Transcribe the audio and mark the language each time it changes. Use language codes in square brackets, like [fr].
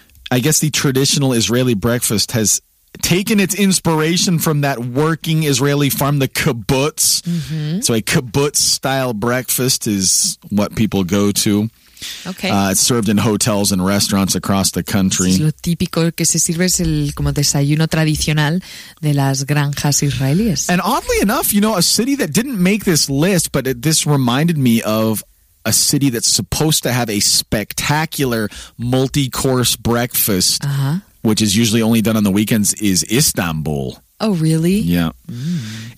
[en] I guess the traditional Israeli breakfast has taken its inspiration from that working Israeli farm, the kibbutz. Mm-hmm. So a kibbutz-style breakfast is what people go to. Okay. It's served in hotels and restaurants across the country. [es] Es lo típico que se sirve es el como desayuno tradicional de las granjas israelíes. [en] And oddly enough, you know, a city that didn't make this list, but this reminded me of a city that's supposed to have a spectacular multi-course breakfast. Uh-huh. Which is usually only done on the weekends, is Istanbul. Oh, really? Yeah. Mm.